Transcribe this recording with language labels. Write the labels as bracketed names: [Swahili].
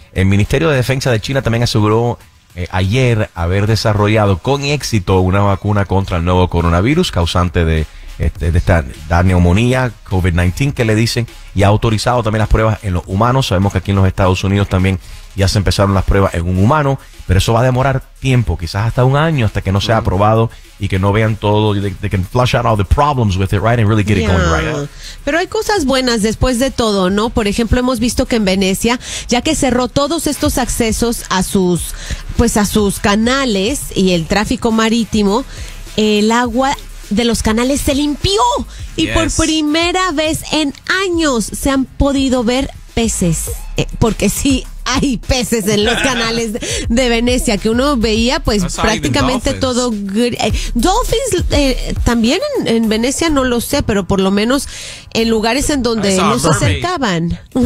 [Spanish] El Ministerio de Defensa de China también aseguró ayer haber desarrollado con éxito una vacuna contra el nuevo coronavirus causante de esta neumonía, COVID-19 que le dicen, y ha autorizado también las pruebas en los humanos. Sabemos que aquí en los Estados Unidos también ya se empezaron las pruebas en un humano, pero eso va a demorar tiempo, quizás hasta un año, hasta que no sea aprobado y que no vean todo. [English] They can flush out all the problems with it, right? And really get it going right. [Spanish] Pero hay cosas buenas después de todo, ¿no? Por ejemplo, hemos visto que en Venecia, ya que cerró todos estos accesos a sus, pues a sus canales y el tráfico marítimo, el agua de los canales se limpió y por primera vez en años se han podido ver peces, porque sí hay peces en los canales de Venecia, que uno veía pues that's prácticamente todo dolphins también en Venecia, no lo sé, pero por lo menos en lugares en donde no se acercaban